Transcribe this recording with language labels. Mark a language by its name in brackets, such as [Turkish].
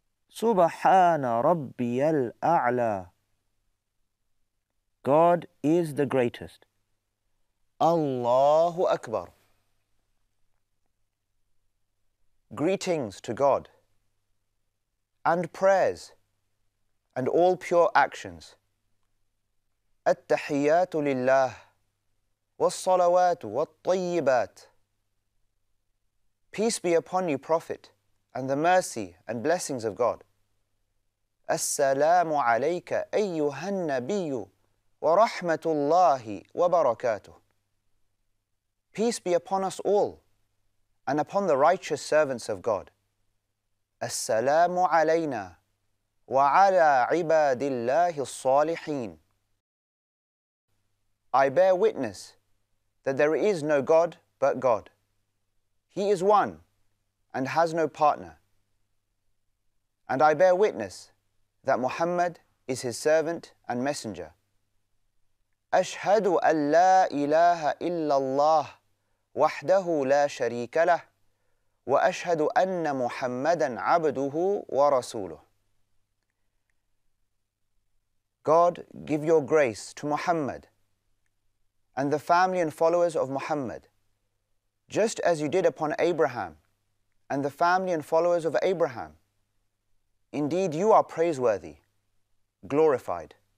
[Arabic] سبحان ربي الأعلى. [English] God is the greatest. [Arabic] الله أكبر. [English] Greetings to God and prayers and all pure actions. [Arabic] التحيات لله والصلوات والطيبات. [English] Peace be upon you, Prophet, and the mercy and blessings of God. [Arabic] السلام عليك أيها النبي ورحمة الله وبركاته. [English] Peace be upon us all and upon the righteous servants of God. [Arabic] السلام علينا وعلى عباد الله الصالحين. [English] I bear witness that there is no God but God. He is one and has no partner. And I bear witness that Muhammad is his servant and messenger. [Arabic] أشهد أن لا إله إلا الله وحده لا شريك له وأشهد أن محمدا عبده ورسوله. [English] God, give your grace to Muhammad and the family and followers of Muhammad, just as you did upon Abraham and the family and followers of Abraham. Indeed, you are praiseworthy, glorified.